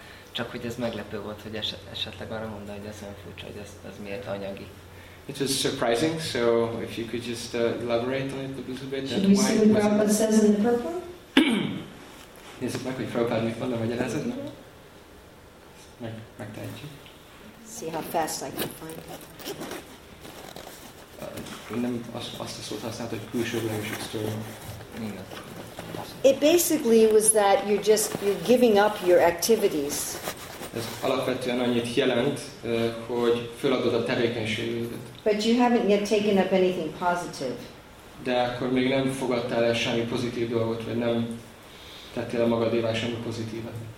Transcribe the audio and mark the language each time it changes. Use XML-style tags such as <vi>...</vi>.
<hu>Csak hogy ez meglepő volt, hogy esetleg arra mondta, hogy ez nem furcsa, hogy ez miért anyagi.</hu> <en>It was surprising, so if you could just elaborate on it a little bit. Should we see what Prabhupada says in the purport?</en> <hu>Nézzük meg, hogy Prabhupada mit mond a magyarázatban. Megtehetjük.</hu> <en>See how fast I can find it.</en> <hu>Nem azt a szót használt, hogy külsőleges external.</hu> <en>It basically was that you're giving up your activities.</en> <hu>Ez alapvetően annyit jelent, hogy feladod a tevékenységedet.</hu> <en>But you haven't yet taken up anything positive.</en> <hu>De akkor még nem fogadtál el semmi pozitív dolgot, vagy nem tettél a magadévá semmi pozitívat.</hu>